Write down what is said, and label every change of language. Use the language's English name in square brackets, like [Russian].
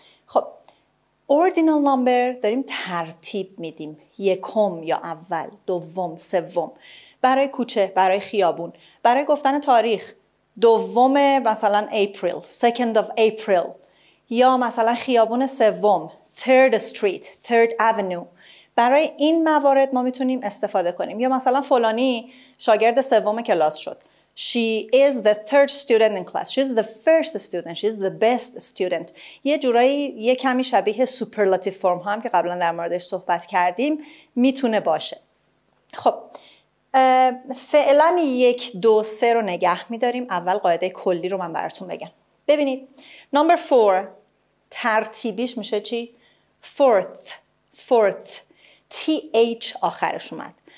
[Persian] خب Ordinal Number داریم ترتیب میدیم، یکم یا اول، دوم، سوم، برای کوچه، برای خیابون، برای گفتن تاریخ دوم مثلا [English] April, second of April، [Persian] یا مثلا خیابون سوم [English] third street, third avenue. [Persian] برای این موارد ما میتونیم استفاده کنیم. یا مثلا فلانی شاگرد سوم کلاس شد. [English] She is the third student in class. She is the first student. She is the best student. [Persian] یه جورایی یه کمی شبیه superlative form هم که قبلا در موردش صحبت کردیم میتونه باشه. خب فعلا 1, 2, 3 رو نگه میداریم. اول قاعده کلی رو من براتون بگم. ببینید number 4 ترتیبیش میشه چی؟ fourth th آخرش اومد.